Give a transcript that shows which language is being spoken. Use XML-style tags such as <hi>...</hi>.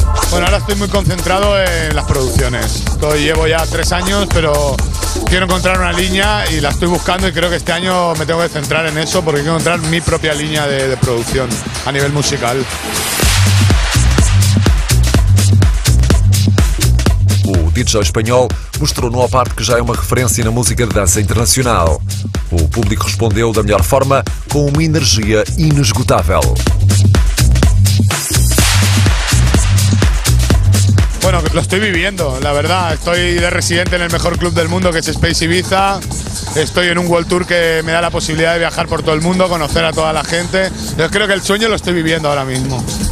<es>Bueno, ahora estoy muy concentrado en las producciones. Estoy, llevo ya 3 años, pero quiero encontrar una línea y la estoy buscando y creo que este año me tengo que centrar en eso porque quiero encontrar mi propia línea de producción a nivel musical.</es> <pt>O DJ espanhol mostrou no Opart que já é uma referência na música de dança internacional. O público respondeu da melhor forma, com uma energia inesgotável.</pt> <es>Bueno, lo estoy viviendo, la verdad. Estoy de residente en el mejor club del mundo, que es Space Ibiza. Estoy en un World Tour que me da la posibilidad de viajar por todo el mundo, conocer a toda la gente. Yo creo que el sueño lo estoy viviendo ahora mismo.</es>